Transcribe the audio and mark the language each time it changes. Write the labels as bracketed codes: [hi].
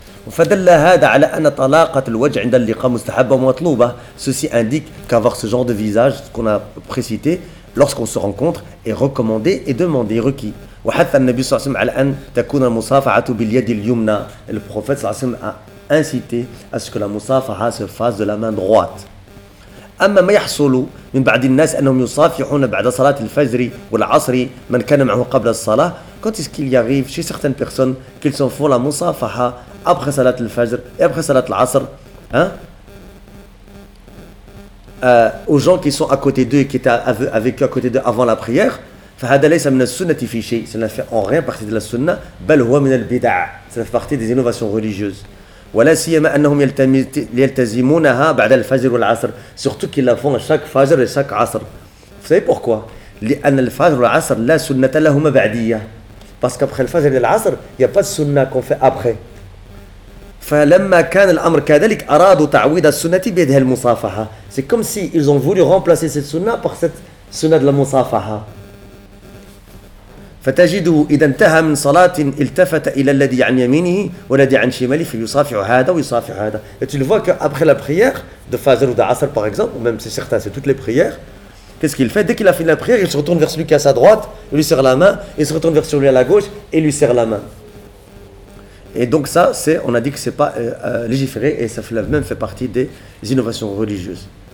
[ar] فدل هذا على ان طلاقه الوجه عند اللقاء مستحبه ومطلوبه. [fr] Ceci indique qu'avoir ce genre de visage qu'on a précité lorsqu'on se rencontre est recommandé et demandé, requis. [ar] وحث النبي صلى الله عليه وسلم على ان تكون المصافحه باليد اليمنى. [fr] Le prophète صلى الله عليه وسلم a incité à ce que la musafaha se fasse de la main droite. [ar] اما ما يحصل من بعض الناس انهم يصافحون بعد صلاه الفجر والعصر من كان معه قبل الصلاه. [fr] Quand est-ce qu'il y arrive chez certaines personnes qu'ils s'en font la musafaha après salat al-fajr et après salat al-asr, hein? Aux gens qui sont à côté d'eux et qui étaient avec eux à côté d'eux avant la prière, [ar] فَهَذَا لَيْسَ مِنَ السُنَّةِ فِي شَيْءٍ. [fr] Ça ne fait en rien partie de la sunna, [ar] بَلْ هُوَ مِنَ الْبِدَعَ. [fr] Ça fait partie des innovations religieuses. [ar] وَلَا سِيَمَا أَنَّهُمْ يَلْتَزِمُونَهَا بَعْدَ الْفَجْرِ وَالْعَصْرِ. [fr] Surtout qu'ils la font à chaque fajr et chaque asr. Vous savez pourquoi? [ar] لِأَنَّ الْفَجْرُ وَالْعَصْرِ لَا سُنَّةَ لَهُمَا بَعْدِيَّ. [fr] Parce qu'après le fajr et l'asr, il n'y a pas de sunna qu'on fait après. [ar] فلما كان الامر كذلك ارادوا تعويض السنه بهذه المصافحه. [fr] C'est comme si ils ont voulu remplacer cette sunna par cette sunna de la musafaha. [ar] فتجده إذا انتهى من صلاة التفت إلى الذي عن يمينه والذي عن شماله فيصافح هذا ويصافح هذا. [fr] Et tu le vois qu'après la prière de Fajr ou de Asr par exemple, ou même c'est certain, c'est toutes les prières, qu'est-ce qu'il fait? Dès qu'il a fini la prière, il se retourne vers celui qui est à sa droite, lui serre la main, il se retourne vers celui à la gauche et lui serre la main. Et donc ça, c'est, on a dit que ce n'est pas légiféré et ça fait, même fait partie des innovations religieuses.